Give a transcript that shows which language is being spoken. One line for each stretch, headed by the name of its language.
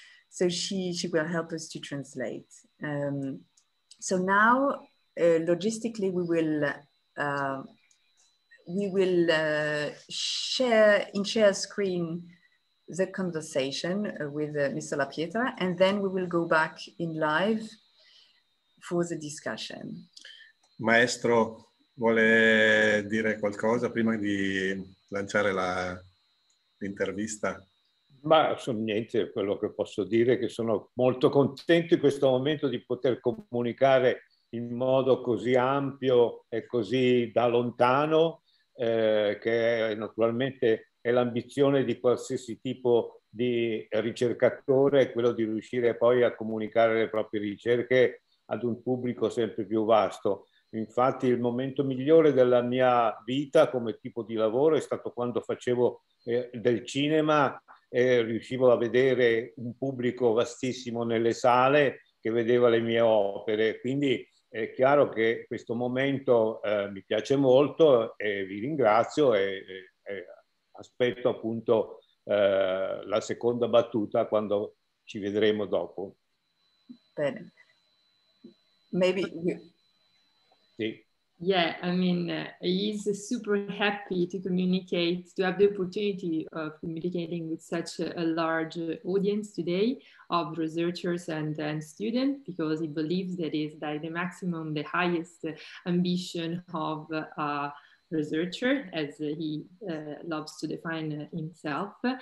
English: So she will help us to translate. So now, logistically, we will share screen the conversation with Mr. La Pietra, and then we will go back in live for the discussion.
Italian: Maestro, vuole dire qualcosa prima di lanciare l'intervista? Ma sono niente, quello che posso dire è che sono molto contento in questo momento di poter comunicare in modo così ampio e così da lontano, che naturalmente è l'ambizione di qualsiasi tipo di ricercatore, quello di riuscire poi a comunicare le proprie ricerche ad un pubblico sempre più vasto. Infatti il momento migliore della mia vita come tipo di lavoro è stato quando facevo del cinema e riuscivo a vedere un pubblico vastissimo nelle sale che vedeva le mie opere. Quindi è chiaro che questo momento mi piace molto e vi ringrazio e aspetto appunto la seconda battuta quando ci vedremo dopo.
English: Bene. Maybe you...
Italian: Sì.
English: Yeah, I mean, he's super happy to communicate, to have the opportunity of communicating with such a large audience today of researchers and students, because he believes that is like the maximum, the highest ambition of a researcher, as he loves to define himself.